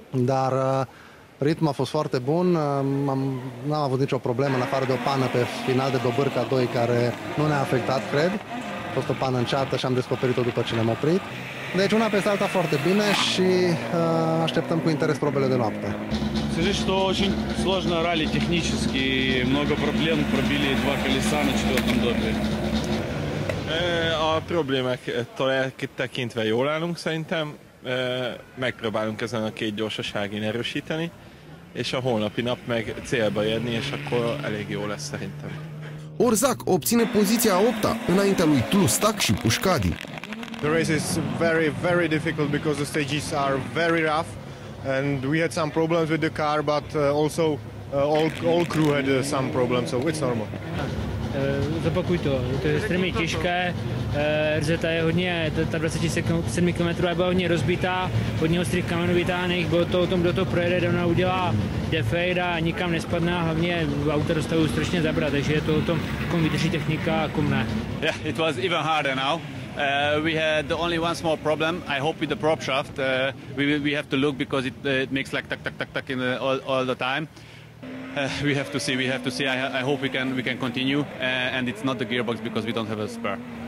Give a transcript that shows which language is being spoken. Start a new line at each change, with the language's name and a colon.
Romanian: Dar ritmul a fost foarte bun, n-am avut nicio problemă, în afară de o pană pe final de Dobârca 2, care nu ne-a afectat, cred. A fost o pană înceată și am descoperit-o după ce ne-am oprit. Deci una peste alta foarte bine și așteptăm cu interes probele de noapte.
Russian: Скажи, что очень сложно рали технически, много проблем, пробили два колеса на четвертом допе.
Hungarian: A problémáktól tekintve jól állunk szerintem, megpróbálunk ezen a két gyorsaságin erősíteni, és a holnapi nap meg célba érni, és akkor elég jó lesz szerintem.
Romanian: Orzac obține poziția a 8-a, înaintea lui Tlustac și Pușcadi.
English: The race is very, very difficult because the stages are very rough. And we had some problems with the car, but also all crew had some problems, so it's normal.
Czech: Zopakuj to, to je extrémně těžké, RZT je hodně, ta 27 km byla hodně rozbitá, hodně ostrých kamenů vytáhnech, bylo to o tom, kdo to projede, ona udělá defejda a nikam nespadne, a hlavně auta dostavují strašně zabrat, takže je to o tom, kom vydrží technika a kom ne.
English: Yeah, it was even harder now. We had only one small problem. I hope with the prop shaft we have to look because it makes like tuck tuck tuck tuck in all the time. We have to see. I hope we can continue and it's not the gearbox because we don't have a spare.